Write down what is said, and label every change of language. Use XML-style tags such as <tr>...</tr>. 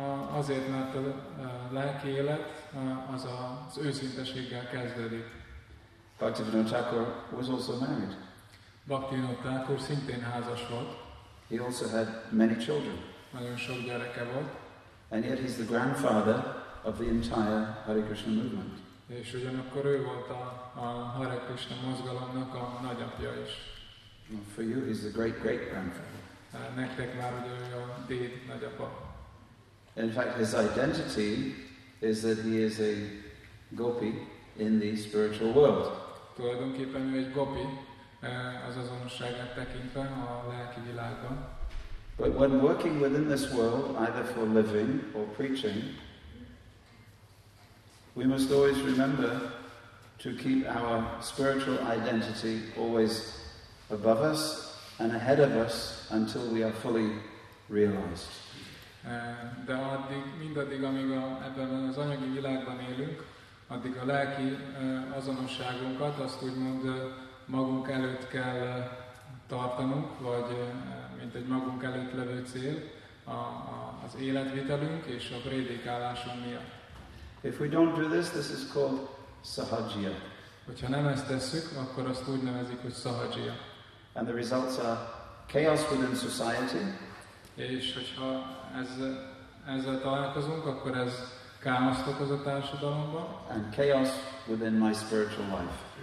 <hu>Azért, mert a lelki élet az őszinteséggel kezdődik.</hu> <en>Bhaktivinoda Thakur was also married.</en> <hu>Bhaktivinoda Thakur szintén házas volt.</hu> <en>He also had many children.</en> <hu>Nagyon sok gyereke volt.</hu> <en>And yet he's the grandfather of the entire Hare Krishna movement.</en> <hu>És ugyanakkor ő volt a Hare Krishna mozgalomnak a nagyapja is.</hu> <en>For you, he's the great-great-grandfather.</en> <hu>Nektek már ugye a déd nagyapa.</hu> <en>In fact, his identity is that he is a gopi in the spiritual world.</en> <hu>Tulajdonképpen ő egy gopi, az azonosságát tekintve a lelki világban.</hu> <en>But when working within this world, either for living or preaching, we must always remember to keep our spiritual identity always above us and ahead of us until we are fully realized.</en> <hu>De mindaddig, amíg ebben az anyagi világban élünk, addig a lelki azonosságunkat, azt úgymond magunk előtt kell tartanunk, vagy mint egy magunk előtt levő cél az életvitelünk és a prédikálásunk miatt.</hu> <en>If we don't do this, this is called sahajya.</en> <hu>Hogyha nem ezt tesszük, akkor azt úgy nevezik, hogy sahajya.</hu> <en>And the results are chaos within society.</en> <hu>És hogyha ezzel találkozunk, akkor ez káoszt okoz a társadalomban.</hu> <en>And chaos within my spiritual life.</en>